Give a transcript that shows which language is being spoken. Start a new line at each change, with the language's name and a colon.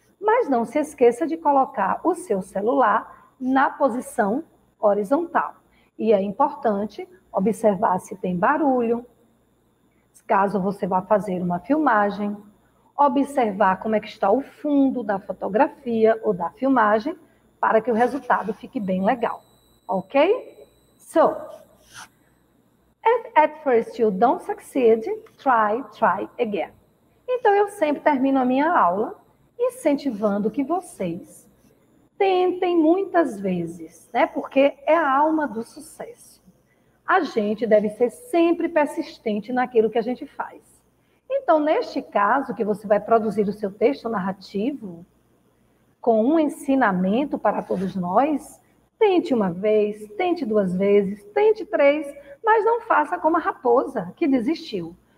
Portuguese: Mas não se esqueça de colocar o seu celular na posição horizontal. E é importante observar se tem barulho, caso você vá fazer uma filmagem, observar como é que está o fundo da fotografia ou da filmagem, para que o resultado fique bem legal. Ok?
English: So, at first you don't succeed, try again.
Portuguese: Então eu sempre termino a minha aula incentivando que vocês tentem muitas vezes, né? Porque é a alma do sucesso. A gente deve ser sempre persistente naquilo que a gente faz. Então, neste caso, que você vai produzir o seu texto narrativo com um ensinamento para todos nós, tente uma vez, tente duas vezes, tente três, mas não faça como a raposa que desistiu.